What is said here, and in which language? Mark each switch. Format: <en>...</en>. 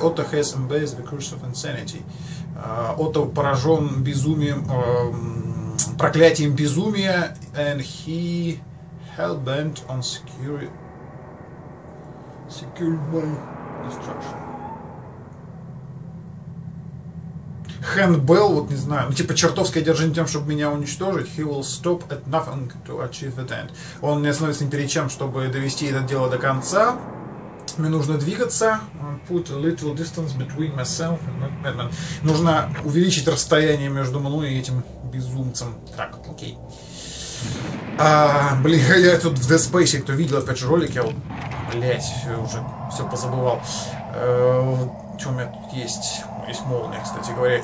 <en>Otto has embraced the curse of insanity. Otto</en> <ru>поражен безумием, проклятием безумия,</ru> <en>and he hell-bent on securing my destruction.</en> <ru>Handbell, вот не знаю, ну типа чертовски одержим тем, чтобы меня уничтожить.</ru> <en>He will stop at nothing to achieve the end.</en> <ru>Он не остановится ни перед чем, чтобы довести это дело до конца. Мне нужно двигаться.</ru> <en>Put a little distance between myself and Madman.</en> <ru>Нужно увеличить расстояние между мной и этим безумцем. Так, окей. А, блин, я тут в The Space, кто видел опять же ролики, вот, блять, уже все позабывал. Что у меня тут есть? Есть молния, кстати говоря.</ru>